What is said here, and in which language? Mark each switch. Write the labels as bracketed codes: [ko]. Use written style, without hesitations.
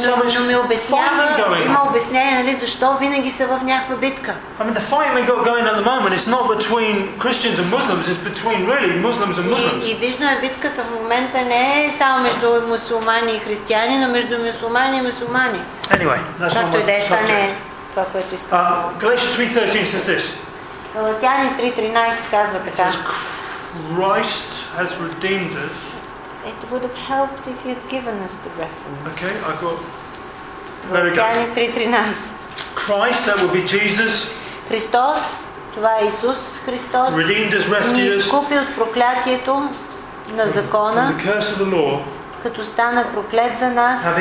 [bg] Но ми обяснява, има обяснение, нали, защо винаги са в някаква битка. [en] I mean, the fight we got going at the moment is not between Christians and Muslims, it's between really Muslims and Muslims. [bg] И виждаме битката в момента не е само между мюсюлмани и християни, но между мюсюлмани и мюсюлмани. [en] Anyway, that's one more subject. [bg] Това, което искам. [en] Galatians 3:13 says this. [bg] Галатяни 3:13 казва така. [en] Christ has redeemed us. It would have helped if he had given us the reference. Okay, I got. [bg] Галатяни 3:13. [en] Christ, that would be Jesus. [bg] Христос, това е Исус Христос, ни изкупи от проклятието на закона, като стана проклет за нас.